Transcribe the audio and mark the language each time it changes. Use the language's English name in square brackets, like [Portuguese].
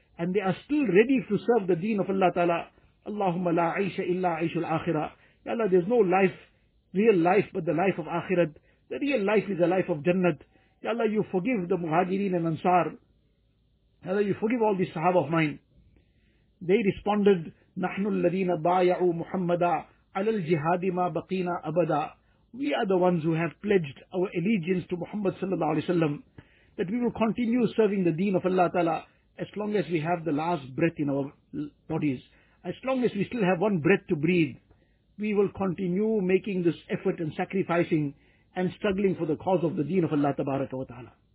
[English] And they are still ready to serve the deen of Allah Ta'ala. [Arabic] Allahumma la aisha illa aishul akhirah. [English] Ya Allah, there's no life, real life, but the life of akhirat. The real life is the life of jannat. Ya Allah, you forgive the muhajirin and ansar. Ya Allah, you forgive all these sahaba of mine. They responded, [Arabic] نحن الذين بايعوا محمدا على الجهاد ما بقينا أبدا. [English] We are the ones who have pledged our allegiance to Muhammad sallallahu alaihi wasallam, that we will continue serving the deen of Allah Ta'ala as long as we have the last breath in our bodies. As long as we still have one breath to breathe, we will continue making this effort and sacrificing and struggling for the cause of the deen of Allah Tabaraka wa Ta'ala.